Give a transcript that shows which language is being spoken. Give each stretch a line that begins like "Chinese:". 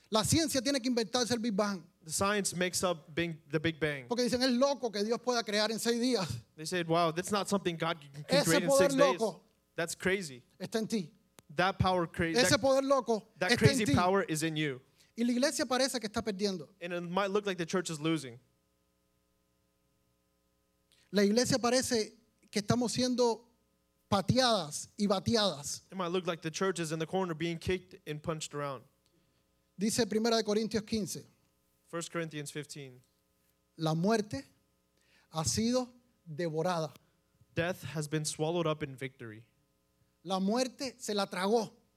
Spanish: La ciencia tiene que inventarse el Big Bang.
English: The science makes up the Big Bang.
Spanish: Porque dicen es loco que Dios pueda crear en seis días.
English: They said, wow, that's not something God can create in 6 days. That's crazy.
Spanish: Está en ti.
English: That power that crazy power is in you.
Spanish: Y la iglesia parece que está perdiendo.
English: And it might look like the church is losing.
Spanish: La iglesia parece que estamos siendo pateadas y bateadas.
English: It might look like the church is in the corner being kicked and punched around.
Spanish: Dice Primera de Corintios 15.
English: 1 Corinthians 15.
Spanish: La muerte ha sido devorada.
English: Death has been swallowed up in victory.
Spanish: La muerte se la tragó.